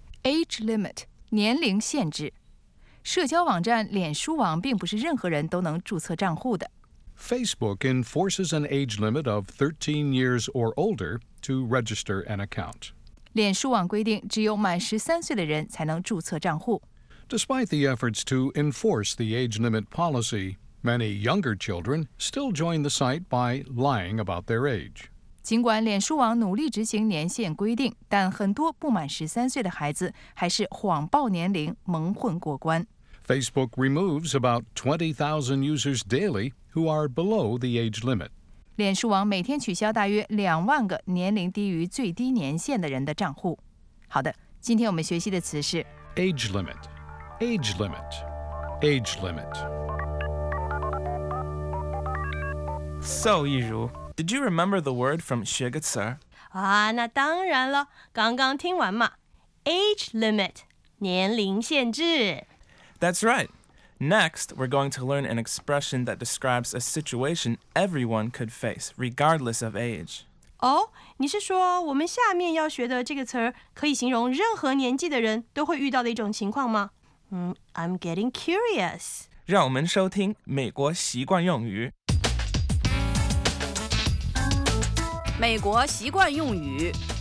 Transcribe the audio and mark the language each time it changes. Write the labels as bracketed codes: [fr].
[en] Age limit, [zh] 年龄限制。社交网站脸书网并不是任何人都能注册账户的。 [en] Facebook enforces an age limit of 13 years or older to register an account. [zh] 脸书网规定只有满13岁的人才能注册账户。 [en] Despite the efforts to enforce the age limit policy, many younger children still join the site by lying about their age. [zh] 尽管脸书网努力执行年限规定，但很多不满13岁的孩子还是谎报年龄，蒙混过关。 [en] Facebook removes about 20,000 users daily who are below the age limit. [zh] 脸书网每天取消大约20,000个年龄低于最低年限的人的账户。好的，今天我们学习的词是 [en] age limit. Age limit, age limit. So, Yiru, did you remember the word from 学个词儿？ [zh] 啊，那当然了，刚刚听完嘛。Age limit, 年龄限制。 [en] That's right. Next, we're going to learn an expression that describes a situation everyone could face, regardless of age. [zh] 哦，你是说我们下面要学的这个词儿可以形容任何年纪的人都会遇到的一种情况吗？ [en] I'm getting curious. [zh] 让我们收听美国习惯用语。美国习惯用语。